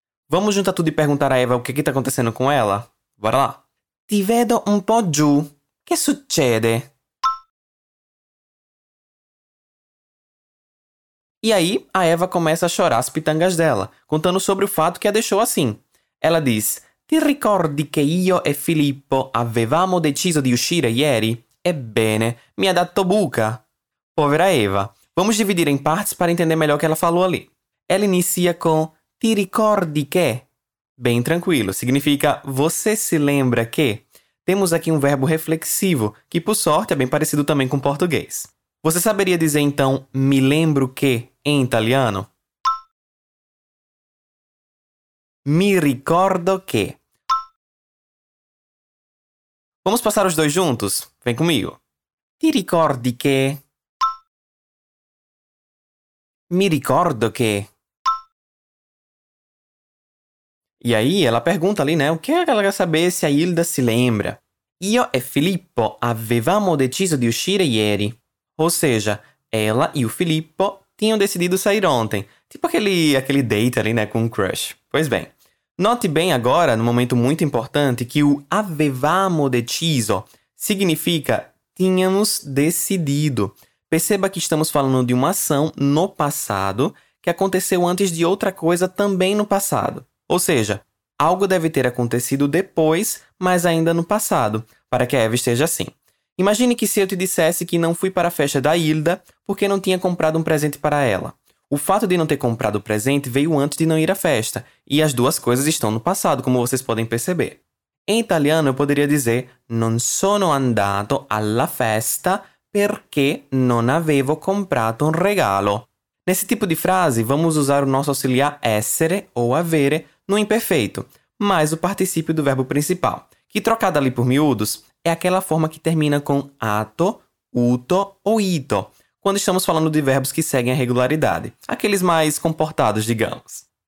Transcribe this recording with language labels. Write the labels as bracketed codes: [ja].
[pt] Vamos juntar tudo e perguntar a Eva o que tá acontecendo com ela? Bora lá. [it] Ti vedo un po' giù. Che succede? [pt] E aí, a Eva começa a chorar as pitangas dela, contando sobre o fato que a deixou assim. Ela diz, [it] ti ricordi che io e Filippo avevamo deciso di uscire ieri? Ebbene, mi ha dato buca. Povera Eva. [pt] Vamos dividir em partes para entender melhor o que ela falou ali. Ela inicia com [it] ti ricordi che? [pt] Bem tranquilo, significa você se lembra que? Temos aqui um verbo reflexivo, que por sorte é bem parecido também com português. Você saberia dizer então me lembro que em italiano? [it] Mi ricordo che. [pt] Vamos passar os dois juntos? Vem comigo. [it] Ti ricordi che? Mi ricordo che. [pt] E aí, ela pergunta ali, né? O que ela quer saber se a Hilda se lembra? [it] Io e Filippo avevamo deciso di uscire ieri. [pt] Ou seja, ela e o Filippo tinham decidido sair ontem. Tipo aquele date ali, né? Com um crush. Pois bem. Note bem agora, no momento muito importante, que o [it] avevamo deciso [pt] significa tínhamos decidido. Perceba que estamos falando de uma ação no passado que que aconteceu antes de outra coisa também no passado. Ou seja, algo deve ter acontecido depois, mas ainda no passado, para que a Eva esteja assim. Imagine que se eu te dissesse que não fui para a festa da Hilda porque não tinha comprado um presente para ela. O fato de não ter comprado o presente veio antes de não ir à festa, e as duas coisas estão no passado, como vocês podem perceber. Em italiano, eu poderia dizer [it] non sono andato alla festa perché non avevo comprato un regalo. [pt] Nesse tipo de frase, vamos usar o nosso auxiliar essere ou avere no imperfeito, mais o particípio do verbo principal, que trocado ali por miúdos, é aquela forma que termina com ato, uto ou ito, quando estamos falando de verbos que seguem a regularidade, aqueles mais comportados, digamos.